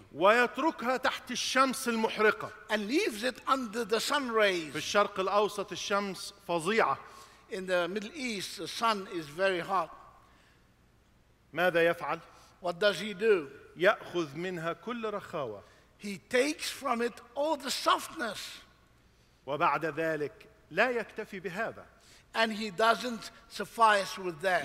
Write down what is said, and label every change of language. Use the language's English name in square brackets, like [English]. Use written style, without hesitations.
[Arabic] ويتركها تحت الشمس المحرقة. [English] And leaves it under the sun rays. [Arabic] في الشرق الأوسط الشمس فظيعة. [English] In the Middle East, the sun is very hot. [Arabic] ماذا يفعل؟ [English] What does he do? [Arabic] يأخذ منها كل رخاوة. [English] He takes from it all the softness. [Arabic] وبعد ذلك لا يكتفي بهذا. [English] And he doesn't suffice with that.